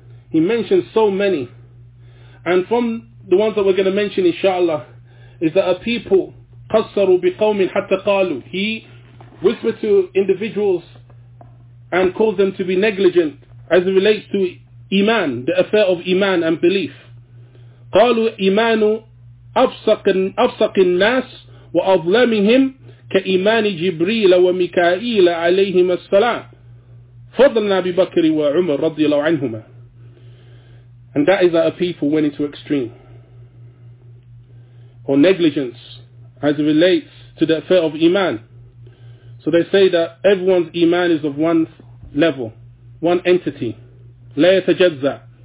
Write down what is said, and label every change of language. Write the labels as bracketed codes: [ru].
[en] He mentioned so many. And from the ones that we're going to mention, inshallah, is that a people, [ar] قَصَّرُوا بِقَوْمٍ حَتَّى قَالُوا. [en] He whispered to individuals and called them to be negligent as it relates to iman, the affair of iman and belief. [ar] قَالُوا إِمَانُ أَفْسَقِ النَّاسِ وَأَظْلَمِهِمْ كإيمان جبريل وميكائيل عليهم السلام فضل أبي بكر وعمر رضي الله عنهما. [en] And that is that a people went into extreme or negligence as it relates to the affair of iman. So they say that everyone's iman is of one level, one entity. [ar] لا يتجزا.